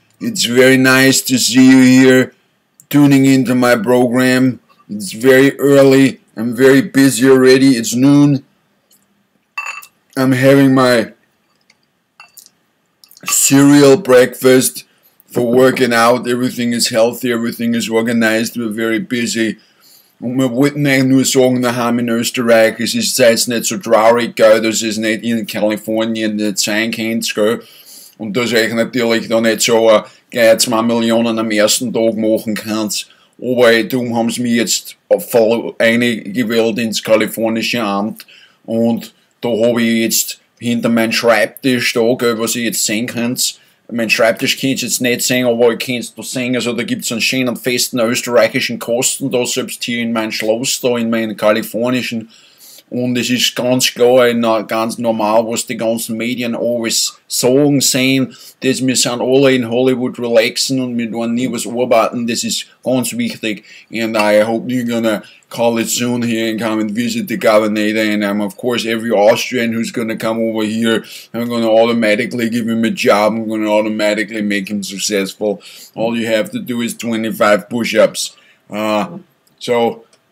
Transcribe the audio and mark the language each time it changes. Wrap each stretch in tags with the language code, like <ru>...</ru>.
<en>It's very nice to see you here tuning into my program. It's very early. I'm very busy already. It's noon. I'm having my cereal breakfast for working out. Everything is healthy. Everything is organized. We're very busy.</en> <de>Wir wollten eigentlich nur sagen, wir haben in Österreich, es ist jetzt nicht so traurig, gell, dass es nicht in Kalifornien nicht sein könnte, gell. Und dass ich natürlich da nicht so, gleich 2 Millionen am ersten Tag machen kann. Aber darum haben sie mich jetzt voll eingewählt ins kalifornische Amt. Und da habe ich jetzt hinter meinem Schreibtisch da, gell, was ich jetzt sehen kann. Mein Schreibtisch kannst du jetzt nicht sehen, aber ich kannst du sehen, also da gibt's einen schönen, festen österreichischen Kosten da, selbst hier in meinem Schloss da, in meinem kalifornischen. Und es ist ganz klar, ganz normal, was die ganzen Medien always sagen, sehen, dass wir sind alle in Hollywood relaxen und wir tun nie was arbeiten, das ist ganz wichtig.</de> <en>And I hope you're gonna call it soon here and come and visit the governor. And I'm, of course, every Austrian who's gonna come over here, I'm gonna automatically give him a job, I'm gonna automatically make him successful. All you have to do is 25 push-ups. So...</en>